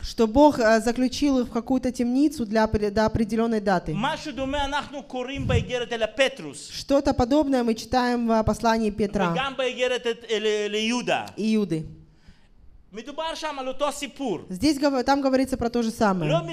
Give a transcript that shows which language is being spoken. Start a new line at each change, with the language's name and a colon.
Russian: Что Бог заключил их в какую-то темницу для до определенной даты.
Hebrew: משהו דומה אנחנו קוראים באיגרת אל הפטרוס.
Russian: Что-то подобное мы читаем в послании Петра.
Hebrew: וגם באיגרת אל יהודה.
Russian: И Иуды. Здесь там говорится про то же самое.